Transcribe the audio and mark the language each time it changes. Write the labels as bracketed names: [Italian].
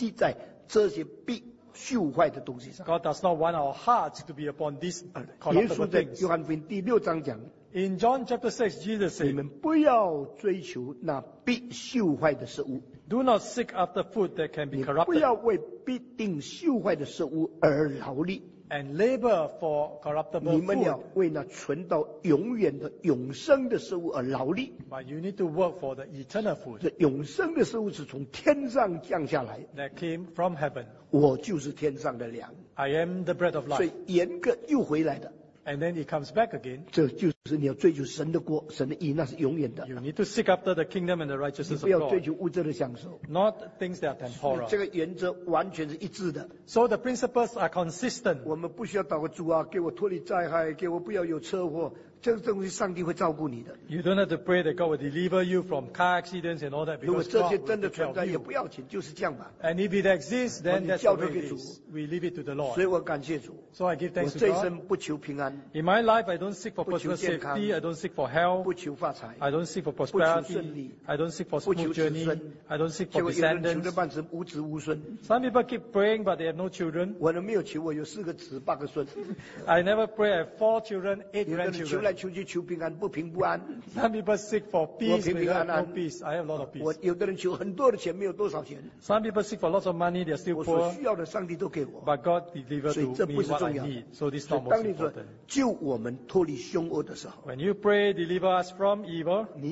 [Chinese] 因为他不认为你应当把你的心系在这些必朽坏的东西上。 [English] God does not want our hearts to be upon this corruptible thing. In John chapter 6, Jesus said, [Chinese] 你们不要追求那必朽坏的事物, [English] do not seek after food that can be corrupted. [Chinese] 你不要为必定朽坏的事物而劳力, [English] and labor for corruptible food. [Chinese] 你们要为那存到永远的永生的事物而劳力, [English] but you need to work for the eternal food. [Chinese] 这永生的事物是从天上降下来, [English] that came from heaven. [Chinese] 我就是天上的粮, [English] I am the bread of life. [Chinese] 所以严格又回来的, [English] and then it comes back again. [Chinese] 这就是你要追求神的国, 神的义, 那是永远的。 [English] You need to seek after the kingdom and the righteousness of God. [Chinese] 你不要追求物质的享受, [English] not things that are temporal. [Chinese] 这个原则完全是一致的。 [English] So the principles are consistent. [Chinese] 我们不需要祷告主啊, 给我脱离灾害, 给我不要有车祸, 这个东西上帝会照顾你的。 [English] You don't have to pray that God will deliver you from car accidents and all that because God will take care of you. [Chinese] 也不要紧，就是这样吧。 [English] And if it exists, then that's the way it is. We leave it to the Lord. [Chinese] 所以我感谢主。 [English] So I give thanks to God. [Chinese] 我这一生不求平安。 [English] In my life, I don't seek for personal safety. I don't seek for health. [Chinese] 不求发财。 [English] I don't seek for prosperity. I don't seek for smooth journey. I don't seek for descendants. Some people keep praying, but they have no children. [Chinese] 我没有求，我有四个子，八个孙。 [English] I never pray. I have 4 children, 8 grandchildren. [Chinese] 求来求去求平安不平不安。 [English] Some people seek for peace, but they have no peace. I have a lot of peace. [Chinese] 我有的人求很多的钱，没有多少钱。 [English] Some people seek for lots of money, they are still poor. [Chinese] 我所需要的，上帝都给我。 [English] But God delivered to me what I need. So this is not most important. [Chinese] 救我们脱离凶恶的时候。 [English] When you pray, deliver us from evil.